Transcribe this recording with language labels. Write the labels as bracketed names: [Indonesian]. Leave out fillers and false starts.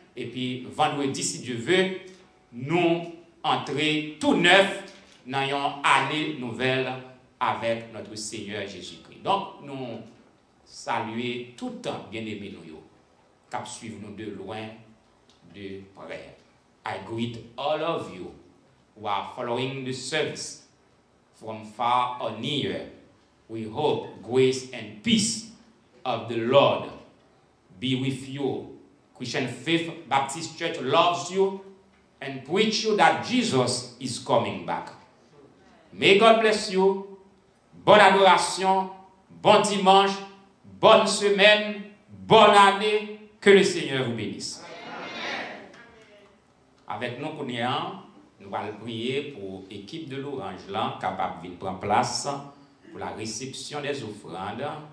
[French] Et puis, vendredi, si Dieu veut, nous entrer tout neuf dans une année nouvelle avec notre Seigneur Jésus-Christ. Donc, nous saluer tout le temps, bien-aimés, nous, qui suivent nous de loin, de près. [English] I greet all of you who are following the service from far or near. We hope grace and peace of the Lord be with you. Christian Faith Baptist Church loves you and preach you that Jesus is coming back. May God bless you. [French] Bonne adoration, bon dimanche, bonne semaine, bonne année. Que le Seigneur vous bénisse. Avec nous, nous allons prier pour l'équipe de l'Orange là, capable de prendre place pour la réception des offrandes.